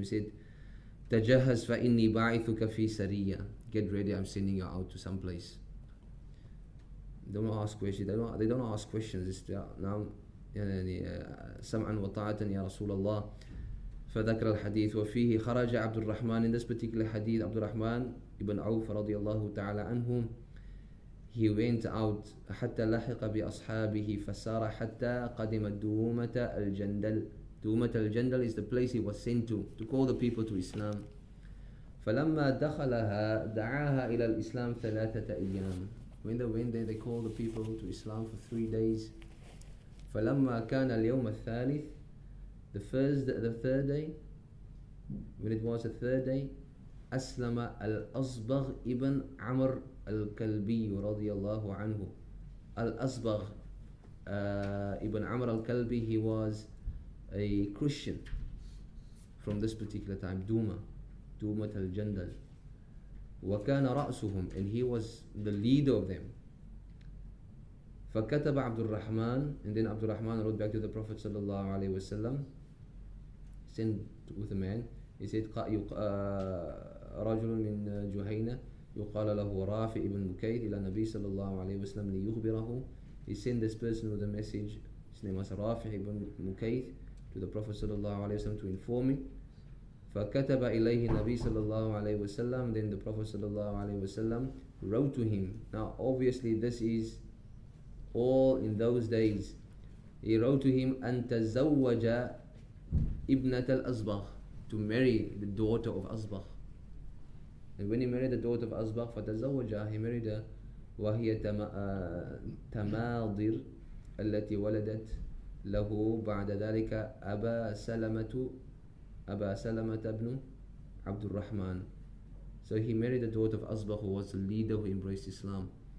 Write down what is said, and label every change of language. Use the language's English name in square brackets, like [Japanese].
[English] He said, [Arabic] تَجَهَزْ فَإِنِّي بَعِثُكَ فِي سَرِيَّةِ. [English] Get ready, I'm sending you out to some place. Don't ask questions. They don't ask questions. It's now, [Arabic] سَمْعًا وَطَاعَةً يَا رَسُولَ اللَّهِ فَذَكَرَ الْحَدِيثُ وَفِيهِ خَرَجَ عَبْدُ الرَّحْمَنِ. [English] In this particular hadith, Abdul Rahman ibn Auf radiallahu ta'ala anhu, he went out [Arabic] حَتَّى لَحِقَ بِأَصْحَابِهِ فَسَارَ حَتَّى قَدِمَ دُومَةَ الْجَنْدَلِ. [English] Dumat al-Jandal is the place he was sent to call the people to Islam. [Arabic] فَلَمَّا دَخَلَهَا دَعَاهَا إِلَى الْإِسْلَامِ ثَلَاثَةَ أَيَّامِ. [English] When they went there, they called the people to Islam for 3 days. [Arabic] فَلَمَّا كَانَ الْيَوْمَ الثَّالِثِ. [English] The third day, when it was the third day, [Arabic] أَسْلَمَ الْأَصْبَغْ ibn عَمَرْ الْكَلْبِيُّ رَضِيَ اللَّهُ عَنْهُ. [English] الْأَصْبَغْ ibn عَمَرْ الْكَلْبِي, he was a Christian from this particular time, Dumat al-Jandal. [Arabic] وَكَانَ رَأْسُهُمْ, [English] and he was the leader of them. [Arabic] فَكَتَبَ عَبْدُ الرَّحْمَنِ, [English] and then Abdul Rahman wrote back to the Prophet sallallahu alayhi wa sallam, sent with a man. He said, [Arabic] رَجُلٌ مِنْ جُهَيْنَ يُقَالَ لَهُ رَافِ ابْن مُكَيْدِ إِلَى نَبِي صَلَى اللَّهُ عَلَيْهِ وَسَلَّمْ لِيُخْبِرَهُ. [English] He sent this person with a message. His name was Rafi ibn Mukayth, to the Prophet sallallahu alayhi wa sallam to inform him. [Arabic] فَكَتَبَ إِلَيْهِ نَبِي صَلَى اللَّهُ عَلَيْهِ وَسَلَّمْ. [English] Then the Prophet sallallahu alayhi wa sallam wrote to him. Now obviously this is all in those days. He wrote to him, [Arabic] أَن تَزَوَّجَ إِبْنَةَ الْأَصْبَغْ, [English] to marry the daughter of Asbagh. And when he married the daughter of Asbagh, [Arabic] فَتَزَوَّجَ, [English] he married [Arabic] وهي تماضر التي ولدت له بعد ذلك أبا سلمة بن عبد الرحمن. [English] So he married the daughter of Asbah, who was the leader who embraced Islam.